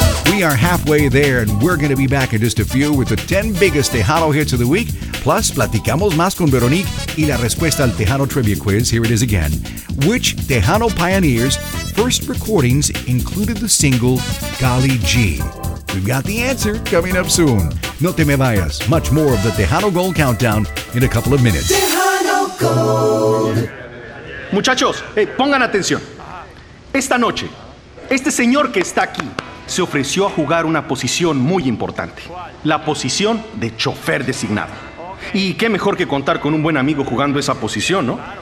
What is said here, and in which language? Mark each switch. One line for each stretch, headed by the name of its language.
English: We are halfway there and we're going to be back in just a few with the 10 biggest Tejano hits of the week.
Spanish: Plus, platicamos más con Veronique y la respuesta al Tejano Trivia Quiz.
English: Here it is again. Which Tejano Pioneer's first recordings included the single Golly G? We've got the answer coming up soon.
Spanish: No te me vayas.
English: Much more of the Tejano Gold Countdown in a couple of minutes.
Spanish: Muchachos, pongan atención. Esta noche, este señor que está aquí se ofreció a jugar una posición muy importante. La posición de chofer designado. Y qué mejor que contar con un buen amigo jugando esa posición, ¿no?